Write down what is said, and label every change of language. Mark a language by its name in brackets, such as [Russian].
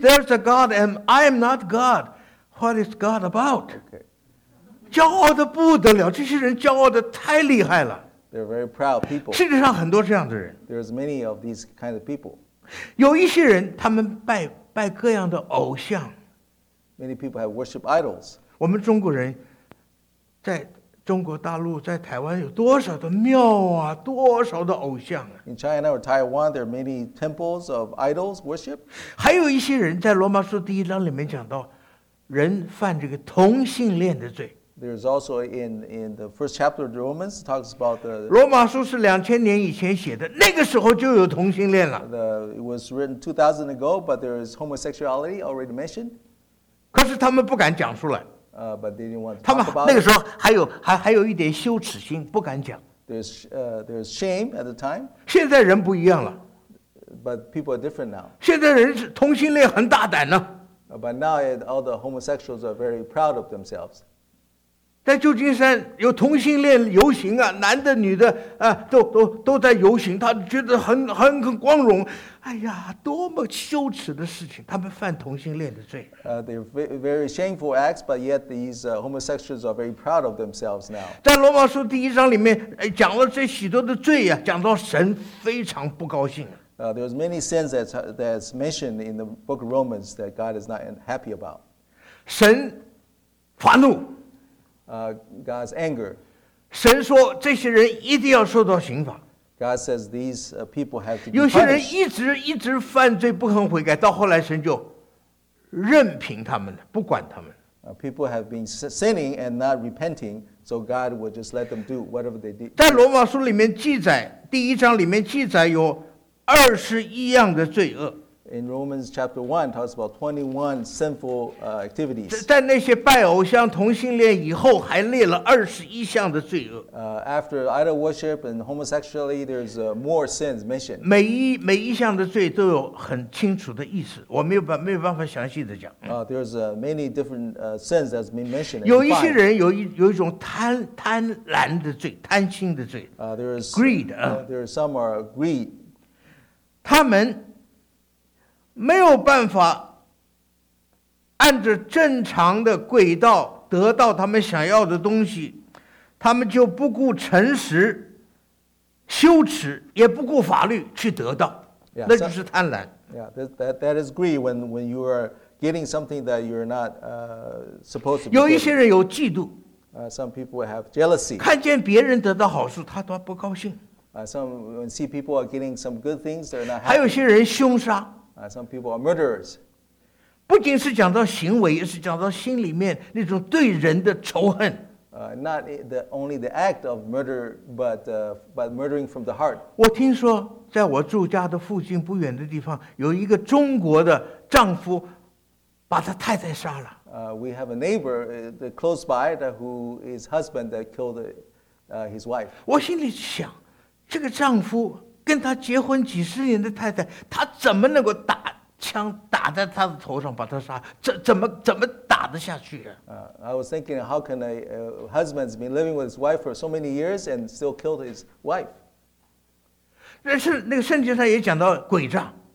[English] there's a God and I am not God, what is God about? Okay. [Chinese] 骄傲的不得了，这些人骄傲的太厉害了。 [English] They're very proud people. [Chinese] 世界上很多这样的人。 [English] There's many of these kind of people. [Chinese] 有一些人，他们拜各样的偶像。 [English] Many people have worship idols. [Chinese] 我们中国人，在中国大陆，在台湾有多少的庙啊，多少的偶像啊。 [English] In China or Taiwan, there are many temples of idols worship. [Chinese] 还有一些人在罗马书第一章里面讲到人犯这个同性恋的罪。 [English] There's also in the first chapter of the Romans, talks about the... [Chinese] 罗马书是2000年以前写的，那个时候就有同性恋了。 [English] It was written 2000 ago, but there is homosexuality already mentioned. [Chinese] 可是他们不敢讲出来。 [English] But they didn't want to talk about it. [Chinese] 他们那个时候还有一点羞耻心，不敢讲。 [English] There's shame at the time. [Chinese] 现在人不一样了。 [English] But people are different now. [Chinese] 现在人同性恋很大胆呢。 [English] But now all the homosexuals are very proud of themselves. [Chinese] 在旧金山有同性恋游行啊，男的女的啊，都在游行，他觉得很光荣。哎呀，多么羞耻的事情！他们犯同性恋的罪。 [English] They're very shameful acts, but yet these homosexuals are very proud of themselves now. [Chinese] 在罗马书第一章里面，讲了这许多的罪呀、啊，讲到神非常不高兴。 [English] There's many sins that's mentioned in the book of Romans that God is not happy about. [Chinese] 神发怒。 [English] God's anger. [Chinese] 神说这些人一定要受到刑罚。 [English] God says these people have to be punished. [Chinese] 有些人一直犯罪不肯悔改，到后来神就任凭他们了，不管他们。 [English] People have been sinning and not repenting, so God will just let them do whatever they did. [Chinese] 在罗马书里面记载，第一章里面记载有21样的罪恶。 [English] In Romans chapter 1, talks about 21 sinful activities. [Chinese] 在那些拜偶像、同性恋以后，还列了21项的罪恶。 [English] After idol worship and homosexuality, there's more sins mentioned. [Chinese] 每一项的罪都有很清楚的意思，我没有办法详细的讲。 [English] There's many different sins that's been mentioned. [Chinese] 有一些人有一种贪婪的罪，贪心的罪。 [English] There's greed. There's some are greed. [Chinese] 他们没有办法按照正常的轨道得到他们想要的东西，他们就不顾诚实、羞耻，也不顾法律去得到， [English] yeah, [Chinese] 那就是贪婪。 [English] Yeah, that is greed when you are getting something that you're not supposed to be. [Chinese] 有一些人有嫉妒。 [English] Some people have jealousy. [Chinese] 看见别人得到好处，他都不高兴。 [English] Some when see people are getting some good things, they're not happy. [Chinese] 还有些人凶杀。 [English] Some people are murderers. [Chinese] 不仅是讲到行为，也是讲到心里面那种对人的仇恨。 [English] Not the only the act of murder, but murdering from the heart. [Chinese] 我听说，在我住家的附近不远的地方，有一个中国的丈夫把他太太杀了。 [English] We have a neighbor close by who his husband that killed his wife. [Chinese] 我心里想，这个丈夫跟他结婚几十年的太太，他怎么能够打枪打在他的头上把他杀，怎么打得下去啊？ [English] I was thinking, how can a husband's been living with his wife for so many years and still killed his wife? [Chinese] 但是那个圣经上也讲到诡诈。